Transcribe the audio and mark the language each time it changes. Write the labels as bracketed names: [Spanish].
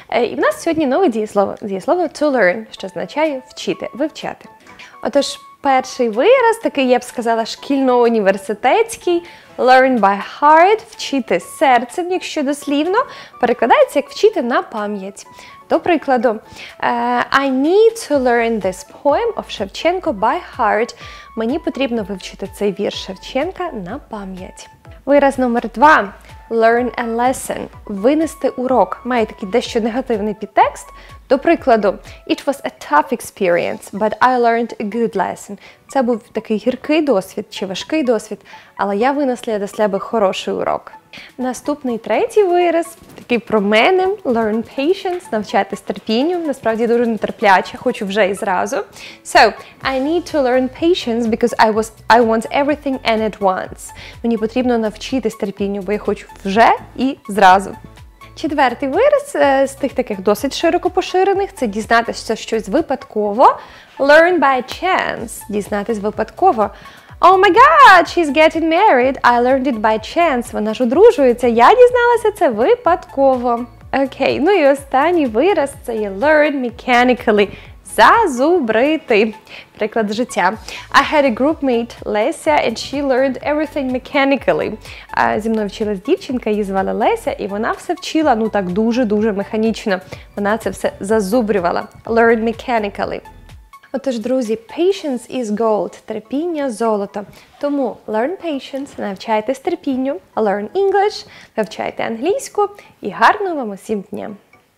[Ukrainian] І в нас сьогодні нове дієслово. Дієслово «to learn», що означає «вчити», «вивчати». Отож, перший вираз, такий, я б сказала, шкільно-університетський, «learn by heart», «вчити серцем», якщо дослівно, перекладається як «вчити на пам'ять». До прикладу, [English] «I need to learn this poem of Шевченко by heart». [Ukrainian] Мені потрібно вивчити цей вір Шевченка на пам'ять. Вираз номер два. [English] Learn a lesson. [Ukrainian] Винести урок. Має такий дещо негативний підтекст. До прикладу, [English] it was a tough experience, but I learned a good lesson. [Ukrainian] Це був такий гіркий досвід чи важкий досвід, але я винесла для себе хороший урок. Наступний третій вираз, такий про мене, [English] learn patience, [Ukrainian] навчатись терпінню. Насправді дуже нетерпляче, хочу вже і зразу. [English] So, I need to learn patience because I want everything and at once. [Ukrainian] Мені потрібно навчитись терпінню, бо я хочу вже і зразу. Четвертий вираз з тих таких досить широко поширених – це дізнатися щось випадково. [English] Learn by chance – [Ukrainian] дізнатись випадково. [English] Oh my God, she's getting married, I learned it by chance. [Ukrainian] Вона ж одружується, я дізналася це випадково. Окей, ну і останній вираз – це є [English] learn mechanically [Ukrainian] – зазубрити. Приклад життя. [English] I had a groupmate, Леся, and she learned everything mechanically. [Ukrainian] Зі мною вчилась дівчинка, її звали Леся, і вона все вчила, ну так дуже-дуже механічно. Вона це все зазубрювала. [English] Learn mechanically. [Ukrainian] Отож, друзі, [English] patience is gold, [Ukrainian] терпіння – золото. Тому [English] learn patience, [Ukrainian] навчайтесь терпінню, [English] learn English, [Ukrainian] вивчайте англійську і гарного вам усім дня!